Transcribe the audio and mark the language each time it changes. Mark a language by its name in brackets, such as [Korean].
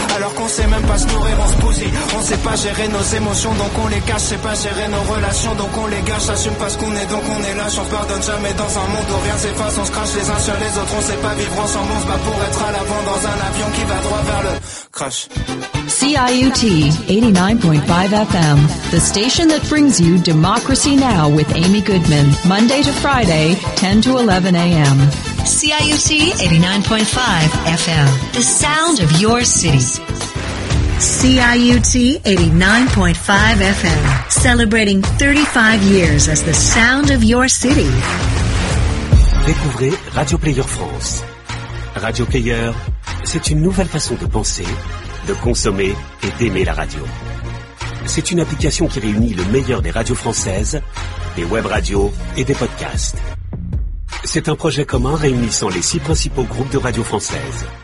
[French] Alors qu'on sait même pas se nourrir, on se bousille. On sait pas gérer nos émotions, donc on les cache. C'est pas gérer nos relations, donc on les gâche. Assume pas ce qu'on est, donc on est lâche. On se pardonne jamais dans un monde où rien s'efface. On se crache les uns sur les autres, on sait pas vivre ensemble. On se bat pour être à l'avant dans un avion qui va droit vers le crash. [English] CIUT 89.5 FM, the station that brings you Democracy Now! With Amy Goodman, Monday to Friday, 10 to 11 a.m. CIUT 89.5 FM, the sound of your city. CIUT 89.5 FM, celebrating 35 years as the sound of your city. [French] Découvrez Radio Player France. Radio Player, c'est une nouvelle façon de penser, de consommer et d'aimer la radio. C'est une application qui réunit le meilleur des radios françaises, des web radios et des podcasts. C'est un projet commun réunissant les 6 principaux groupes de radios françaises.